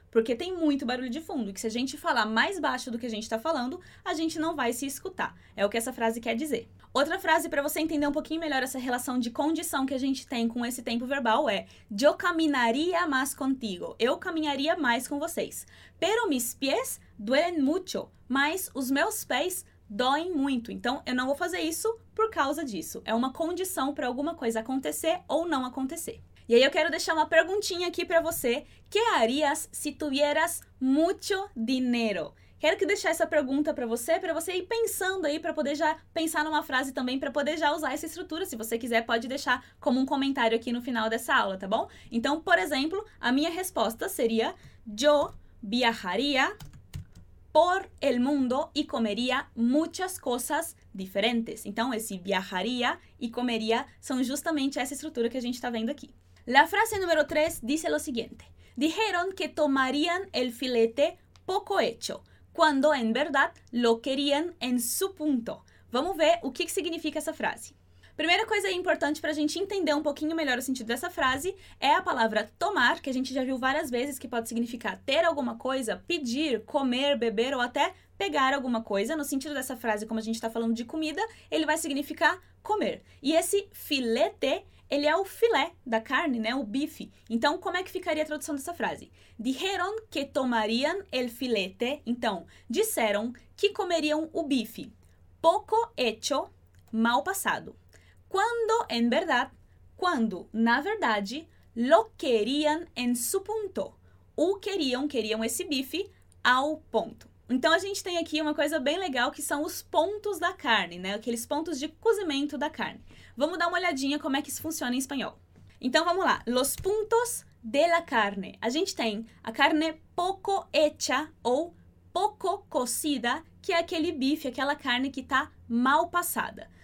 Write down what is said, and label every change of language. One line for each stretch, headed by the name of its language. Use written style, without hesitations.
Portuguese: Porque tem muito barulho de fundo, e que se a gente falar mais baixo do que a gente está falando, a gente não vai se escutar. É o que essa frase quer dizer. Outra frase para você entender um pouquinho melhor essa relação de condição que a gente tem com esse tempo verbal é
Spanish: yo caminaría más contigo.
Portuguese: Eu caminharia mais com vocês.
Spanish: Pero mis pies duelen mucho.
Portuguese: Mas os meus pés doem muito. Então, eu não vou fazer isso por causa disso. É uma condição para alguma coisa acontecer ou não acontecer. E aí eu quero deixar uma perguntinha aqui para você.
Spanish: ¿Qué harías si tuvieras mucho dinero?
Portuguese: Quero que deixar essa pergunta para você ir pensando aí, para poder já pensar numa frase também, para poder já usar essa estrutura. Se você quiser, pode deixar como um comentário aqui no final dessa aula, tá bom? Então, por exemplo, a minha resposta seria
Spanish: yo viajaría por el mundo y comería muchas cosas diferentes.
Portuguese: Então, esse viajaría y comería são justamente essa estrutura que a gente está vendo aqui.
Spanish: La frase número 3 dice lo siguiente. Dijeron que tomarían el filete poco hecho,
Portuguese: quando, em verdade,
Spanish: lo querían en su punto.
Portuguese: Vamos ver o que significa essa frase. Primeira coisa importante para a gente entender um pouquinho melhor o sentido dessa frase é a palavra tomar, que a gente já viu várias vezes, que pode significar ter alguma coisa, pedir, comer, beber ou até pegar alguma coisa. No sentido dessa frase, como a gente está falando de comida, ele vai significar comer. E esse filete, ele é o filé da carne, né? O bife. Então, como é que ficaria a tradução dessa frase?
Spanish: Dijeron que tomarían el filete.
Portuguese: Então, disseram que comeriam o bife.
Spanish: Poco hecho,
Portuguese: mal passado. Quando,
Spanish: en verdad,
Portuguese: quando, na verdade,
Spanish: lo querían en su punto.
Portuguese: O queriam, queriam esse bife ao ponto. Então, a gente tem aqui uma coisa bem legal, que são os pontos da carne, né? Aqueles pontos de cozimento da carne. Vamos dar uma olhadinha como é que isso funciona em espanhol. Então, vamos lá.
Spanish: Los puntos de la carne.
Portuguese: A gente tem a carne poco hecha ou poco cocida, que é aquele bife, aquela carne que está mal passada.